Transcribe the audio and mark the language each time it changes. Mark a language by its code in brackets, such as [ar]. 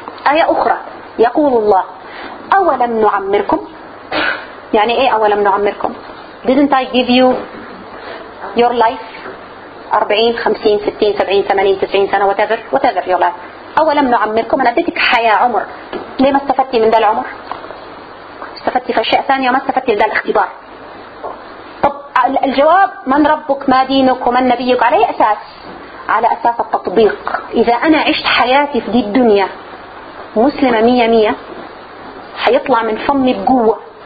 [ar] آية أخرى يقول الله أولم نعمركم. يعني إيه أولم نعمركم؟ [en] didn't I give you your life 40 50 60 70 80 90 سنة whatever your life. [ar] أولم نعمركم أنا أديتك حياة عمر ليه ما استفدتي من ذا العمر؟ استفدتي في أشياء ثانية وما استفدتي من ذا الاختبار. طب الجواب من ربك ما دينك ومن نبيك على أي أساس؟ على أساس التطبيق. إذا أنا عشت حياتي في دي الدنيا مسلمة مية مية حيطلع من فمي بقوة.